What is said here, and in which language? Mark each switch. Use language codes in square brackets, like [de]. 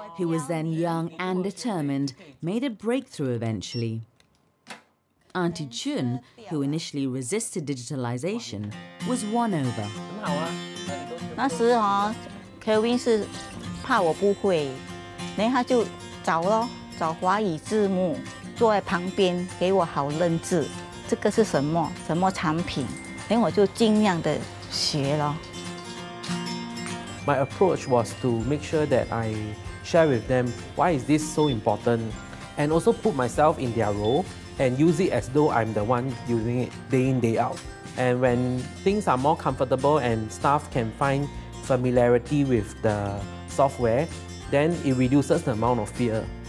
[en] who was then young and determined, made a breakthrough eventually. Auntie Chun, who initially resisted digitalization, was won over. [zh] 那时候，Kelvin是怕我不会，然后他就找咯，找华语字幕坐在旁边给我好认字，这个是什么，什么产品，然后我就尽量的学咯。 [en] My approach was to make sure that I share with them why is this so important, and also put myself in their role. And use it as though I'm the one using it day in, day out. And when things are more comfortable and staff can find familiarity with the software, then it reduces the amount of fear.